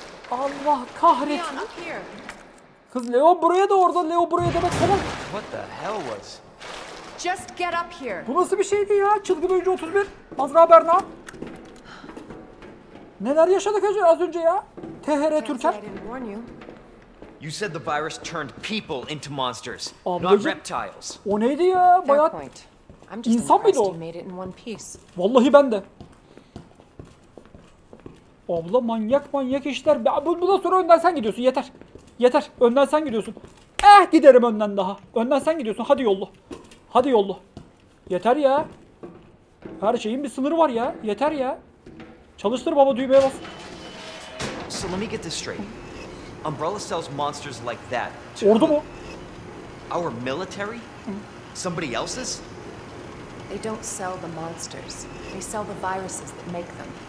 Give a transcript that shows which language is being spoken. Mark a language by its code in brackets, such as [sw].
[tr] Allah kahretsin. Kız Leo buraya da orada. Leo buraya demek tamam. [en] What the hell was? Just get up here. [tr] Bu nasıl bir şeydi ya? Çılgın oyuncu 31. Azra Berna. Neler yaşadık az önce ya? THR Türker. [en] You said the virus turned people into monsters, not reptiles. [tr] O neydi ya? Bayağı insan mıydı o? Vallahi ben de. Abla manyak manyak işler. Bundan sonra önden sen gidiyorsun. Yeter. Yeter. Önden sen gidiyorsun. Giderim önden daha. Önden sen gidiyorsun. Hadi yollu. Hadi yollu. Yeter ya. Her şeyin bir sınırı var ya. Yeter ya. Çalıştır baba düğmeye bas. [en] So let me get this straight. Umbrella sells monsters like that. [tr] Ordu mu? [en] Our military? Somebody else's? They don't sell the monsters. They sell the viruses that make them.